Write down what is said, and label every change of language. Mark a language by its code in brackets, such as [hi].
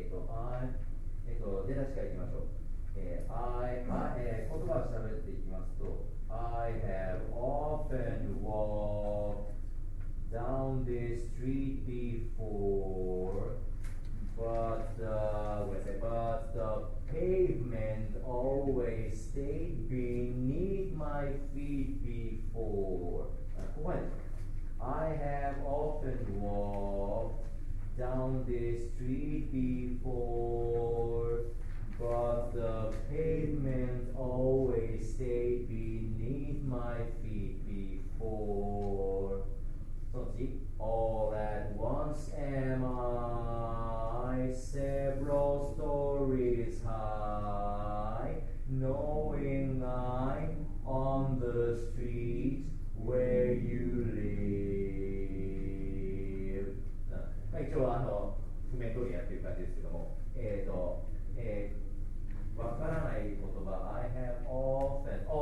[ja] はい、出だしからいきましょう。言葉をしゃべっていきますと、 [en] I have often walked down this street before, but the pavement always stayed beneath my feet before. [ja] ここまでです。 [en] I have often walked down this street before. But the pavement always stayed beneath my feet before. [ja] その次、 [en] All at once am I several stories high, knowing I'm on the street where you live. [ja] 一応譜面通りやってる感じですけども、わからない言葉、 [en] I have often.